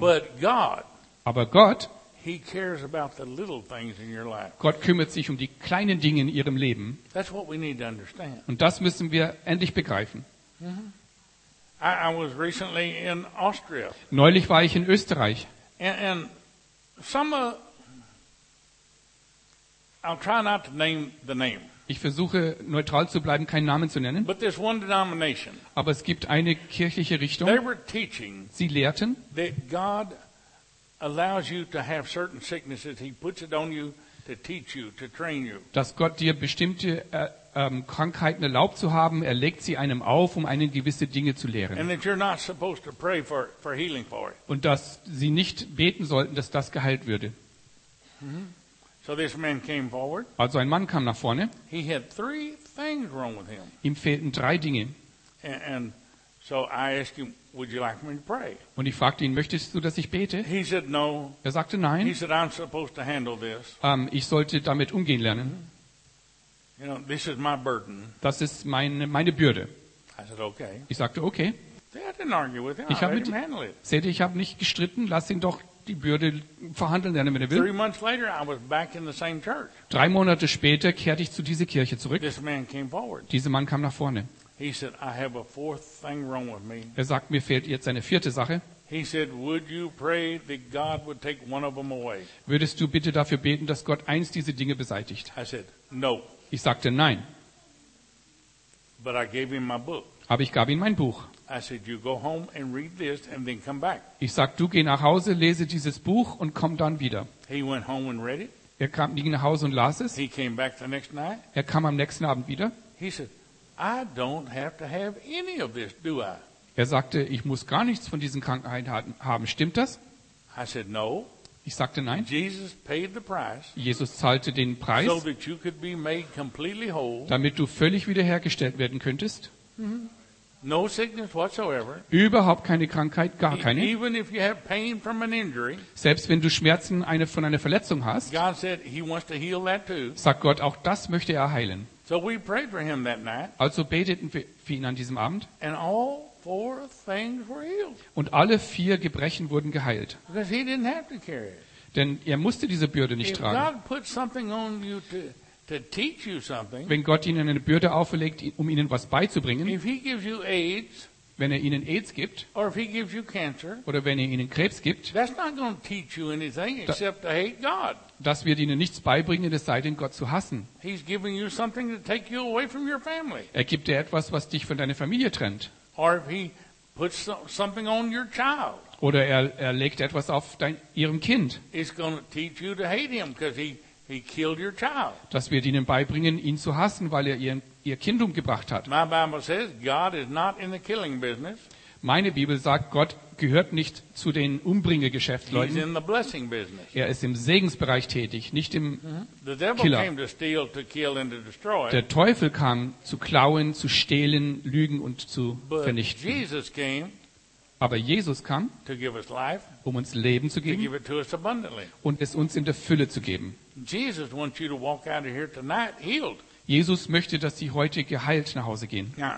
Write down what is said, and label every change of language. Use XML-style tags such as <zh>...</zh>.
<en>But God,</en> <de>aber Gott,</de> <en>he cares about the little things in your life.</en> <de>Gott kümmert sich um die kleinen Dinge in ihrem Leben.</de> <en>That's what we need to understand.</en> <de>Und das müssen wir endlich begreifen.</de> <en>Mm-hmm. I was recently in Austria.</en> <de>Neulich war ich in Österreich.</de> <en>And some I'll try not to name the name.</en> <de>Ich versuche neutral zu bleiben, keinen Namen zu nennen.</de> <en>But there's one denomination.</en> <de>Aber es gibt eine kirchliche Richtung.</de> <en>They were teaching.</en> <de>Sie lehrten,</de> <en>that God allows you to have certain sicknesses. He puts it on you to teach you, to train you.</en> <de>Dass Gott dir bestimmte Krankheiten erlaubt zu haben, er legt sie einem auf, um einen gewisse Dinge zu lehren.</de> <en>And that you're not supposed to pray for healing for it.</en> <de>Und dass sie nicht beten sollten, dass das geheilt würde. Mm-hmm.</de> <en>So this man came forward.</en> <de>Also ein Mann kam nach vorne.</de> <en>He had three things wrong with him.</en> <de>Ihm fehlten drei Dinge.</de> <en>And so I asked him, would you like me to pray?</en> <de>Und ich fragte ihn, möchtest du, dass ich bete?</de> <en>He said no.</en> <de>Er sagte nein.</de> <en>He said I'm supposed to handle this.</en> <de>Ich sollte damit umgehen lernen.</de> <en>You know, this is my burden.</en> <de>Das ist meine Bürde.</de> <en>I said okay.</en> <de>Ich sagte okay.</de> <en>See, I didn't argue with him. I let him handle it.</en> <de>Seht ihr, ich habe nicht gestritten, lass ihn doch die Bürde verhandeln, wenn er will.</de> <en>3 months later, I was back in the same church.</en> <de>3 Monate später kehrte ich zu dieser Kirche zurück.</de> <en>This man came forward.</en> <de>Dieser Mann kam nach vorne.</de> <en>He said, I have a fourth thing wrong with me.</en> <de>Er sagt, mir fehlt jetzt eine vierte Sache.</de> <en>He said, would you pray that God would take one of them away?</en> <de>Würdest du bitte dafür beten, dass Gott eins dieser Dinge beseitigt?</de> <en>I said, no.</en> <de>Ich sagte nein.</de> <en>But I gave him my book.</en> <de>Aber ich gab ihm mein Buch.</de> <en>I said, you go home and read this and then come back.</en> <de>Ich sag, du geh nach Hause, lese dieses Buch und komm dann wieder.</de> <en>He went home and read it.</en> <de>Er kam, ging nach Hause und las es.</de> <en>He came back the next night.</en> <de>Er kam am nächsten Abend wieder.</de> <en>He said, I don't have to have any of this, do I?</en> <de>Er sagte, ich muss gar nichts von diesen Krankheiten haben. Stimmt das?</de> <en>I said, no.</en> <de>Ich sagte nein.</de> <en>Jesus paid the price.</en> <de>Jesus zahlte den Preis,</de> <en>so that you could be made completely whole.</en> <de>Damit du völlig wiederhergestellt werden könntest.</de> <en>Mm-hmm. No sickness whatsoever.</en> <de>Überhaupt keine Krankheit, gar keine.</de> <en>Even if you have pain from an injury.</en> <de>Selbst wenn du Schmerzen von einer Verletzung hast.</de> <en>God said he wants to heal that too.</en> <de>Sagt Gott, auch das möchte er heilen.</de> <en>So we prayed for him that night.</en> <de>Also beteten wir für ihn an diesem Abend.</de> <en>And all four things were healed.</en> <de>Und alle vier Gebrechen wurden geheilt.</de> <en>Because he didn't have to carry it.</en> <de>Denn er musste diese Bürde nicht</de> <en>if</en> <de>tragen.</de> <en>God put something on you to teach you something.</en> <de>Wenn Gott ihnen eine Bürde auferlegt, um ihnen was beizubringen.</de> <en>If he gives you AIDS,</en> <de>wenn er ihnen AIDS gibt.</de> <en>Or if he gives you cancer,</en> <de>oder wenn er ihnen Krebs gibt.</de> <en>That's not going to teach you anything except to hate God.</en> <de>Das wird ihnen nichts beibringen, es sei denn, Gott zu hassen.</de> <en>He's giving you something to take you away from your family.</en> <de>Er gibt dir etwas, was dich von deiner Familie trennt.</de> <en>Or if he puts something on your child.</en> <de>Oder er legt etwas auf ihrem Kind.</de> <en>It's going to teach you to hate him because he killed your child.</en> <de>Das wird ihnen beibringen, ihn zu hassen, weil er ihr Kind umgebracht hat.</de> <en>My Bible says God is not in the killing business.</en> <de>Meine Bibel sagt, Gott gehört nicht zu den Umbringergeschäftsleuten.</de> <en>He's in the blessing business.</en> <de>Er ist im Segensbereich tätig, nicht im</de> <en>the devil</en> <de>Killer.</de> <en>Came to steal, to kill and to destroy.</en> <de>Der Teufel kam zu klauen, zu stehlen, lügen und zu vernichten.</de> <en>Jesus came.</en> <de>Aber Jesus kam,</de> <en>to give us life,</en> <de>um uns Leben zu geben</de> <en>to give it to us abundantly.</en> <de>Und es uns in der Fülle zu geben.</de> <en>Jesus, wants you to walk out of here tonight healed.</en> <de>Jesus möchte, dass Sie heute geheilt nach Hause gehen.</de>